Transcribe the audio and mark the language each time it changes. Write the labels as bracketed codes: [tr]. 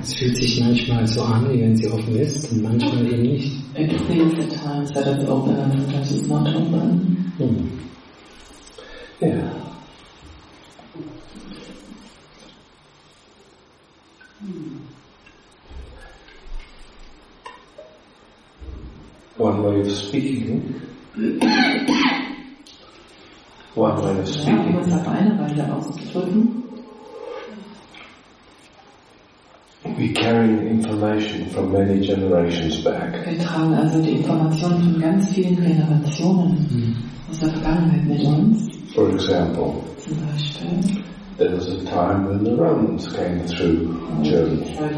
[de] Es fühlt sich manchmal so an, wie wenn sie offen ist, und manchmal eben nicht. [en] It feels at times that it's open and sometimes it's not open. One way of speaking. One way of speaking. [de] Ja, um es auf eine Weise auszudrücken. [en] We carry information from many generations back. [de] Wir tragen also die Information von ganz vielen Generationen aus der Vergangenheit mit uns. [en] For example, [de] zum Beispiel, [en] there was a time when the Romans came through Germany.